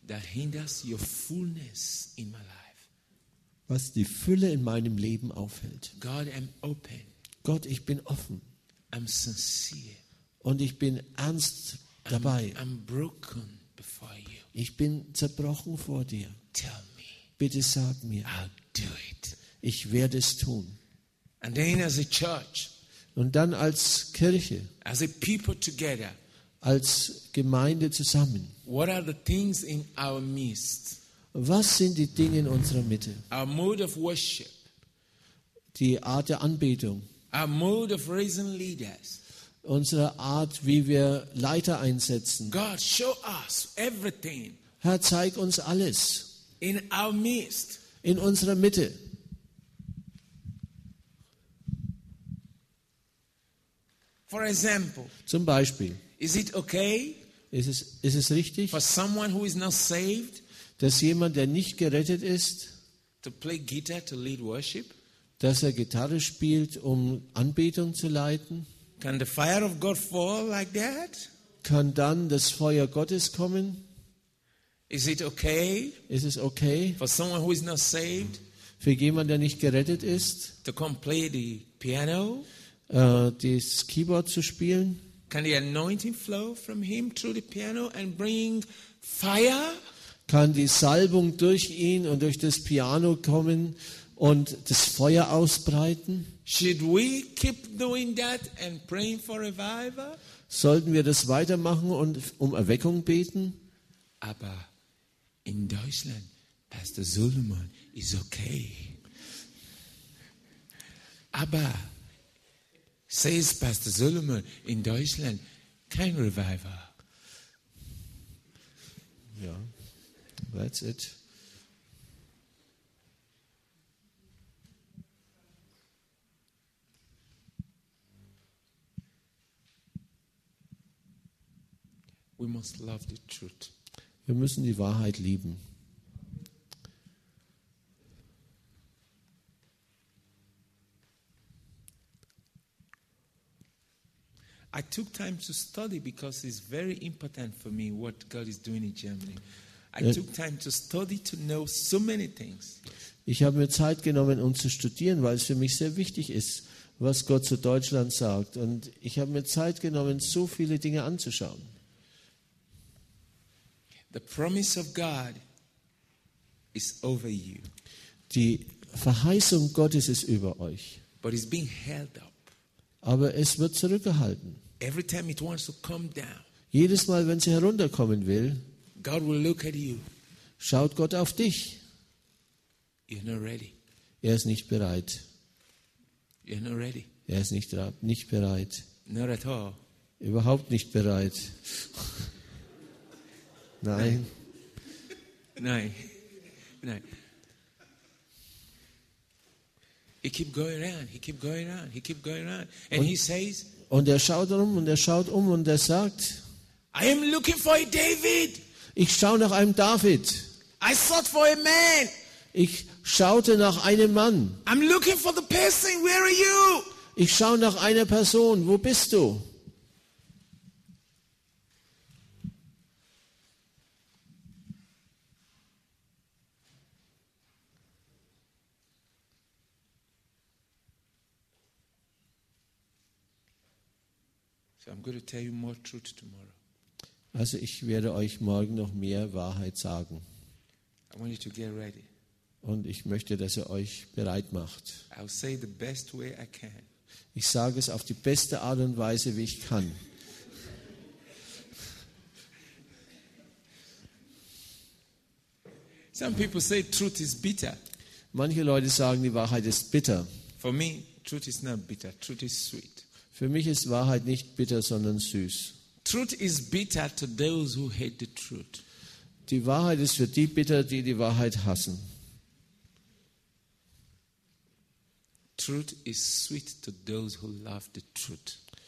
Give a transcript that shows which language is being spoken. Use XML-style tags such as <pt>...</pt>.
<en>that hinders your fullness in my life?</en> <de>Was die Fülle in meinem Leben aufhält?</de> <en>God, I'm open.</en> <de>Gott, ich bin offen.</de> <en>I'm sincere.</en> <de>Und ich bin ernst dabei.</de> <en>I'm broken before you.</en> <de>Ich bin zerbrochen vor dir.</de> <en>Tell me.</en> <de>Bitte sag mir.</de> <en>I'll do it.</en> <de>Ich werde es tun.</de> <en>And then as a church,</en> <de>und dann als Kirche,</de> <en>as a people together,</en> <de>als Gemeinde zusammen.</de> <en>What are the things in our midst?</en> <de>Was sind die Dinge in unserer Mitte?</de> <en>Our mode of worship.</en> <de>Die Art der Anbetung.</de> <en>Our mode of raising leaders.</en> <de>Unsere Art, wie wir Leiter einsetzen.</de> <en>God, show us everything.</en> <de>Herr, zeig uns alles.</de> <en>In our midst.</en> <de>In unserer Mitte.</de> <en>For example.</en> <de>Zum Beispiel.</de> <en>Is it okay?</en> <de>Ist es richtig?</de> <en>For someone who is not saved,</en> <de>dass jemand, der nicht gerettet ist,</de> <en>to play guitar to lead worship,</en> <de>dass er Gitarre spielt, um Anbetung zu leiten?</de> <en>Can the fire of God fall like that?</en> <de>Kann dann das Feuer Gottes kommen?</de> <en>Is it okay?</en> <de>Ist es okay?</de> <en>For someone who is not saved,</en> <de>für jemanden, der nicht gerettet ist,</de> <en>to come play the piano,</en> <de>das Keyboard zu spielen?</de> <en>Can the anointing flow from him through the piano and bring fire?</en> <de>Kann die Salbung durch ihn und durch das Piano kommen und das Feuer ausbreiten?</de> <en>Should we keep doing that and praying for revival?</en> <de>Sollten wir das weitermachen und um Erweckung beten? Aber in Deutschland, Pastor Suleiman,</de> <en>is okay.</en> <de>Aber</de> <en>says</en> <de>Pastor Suleiman, in Deutschland, kein Revival. Ja,</de> <en>that's it. We must love the truth.</en> <de>Wir müssen die Wahrheit lieben.</de> <en>I took time to study because it's very important for me what God is doing in Germany. I took time to study to know so many things.</en> <de>Ich habe mir Zeit genommen, um zu studieren, weil es für mich sehr wichtig ist, was Gott zu Deutschland sagt. Und ich habe mir Zeit genommen, so viele Dinge anzuschauen.</de> <en>The promise of God is over you.</en> <de>Die Verheißung Gottes ist über euch.</de> <en>But it's being held up.</en> <de>Aber es wird zurückgehalten.</de> <en>Every time it wants to come down,</en> <de>jedes Mal, wenn sie herunterkommen will,</de> <en>God will look at you.</en> <de>Schaut Gott auf dich.</de> <en>You're not ready.</en> <de>Er ist nicht bereit.</de> <en>You're not ready.</en> <de>Er ist nicht bereit.</de> <en>Not at all.</en> <de>Überhaupt nicht bereit. Nein. Nein. Nein.</de> <en>He keep going around, he keep going around, he keep going around. And he says,</en> <de>und er schaut rum und er schaut um und er sagt,</de> <en>I am looking for a David.</en> <de>Ich schaue nach einem David.</de> <en>I sought for a man.</en> <de>Ich schaute nach einem Mann.</de> <en>I'm looking for the person. Where are you?</en> <de>Ich schaue nach einer Person. Wo bist du?</de> <en>So I'm going to tell you more truth tomorrow.</en> <de>Also ich werde euch morgen noch mehr Wahrheit sagen.</de> <en>I want you to get ready.</en> <de>Und ich möchte, dass ihr euch bereit macht.</de> <en>I'll say the best way I can.</en> <de>Ich sage es auf die beste Art und Weise, wie ich kann.</de> <en>Some people say truth is bitter.</en> <de>Manche Leute sagen, die Wahrheit ist bitter.</de> <en>For me, truth is not bitter. Truth is sweet.</en> <de>Für mich ist Wahrheit nicht bitter, sondern süß.</de> <en>Truth is bitter to those who hate the truth.</en> <de>Die Wahrheit ist für die bitter, die die Wahrheit hassen.</de> <en>Truth is sweet to those who love the truth.</en>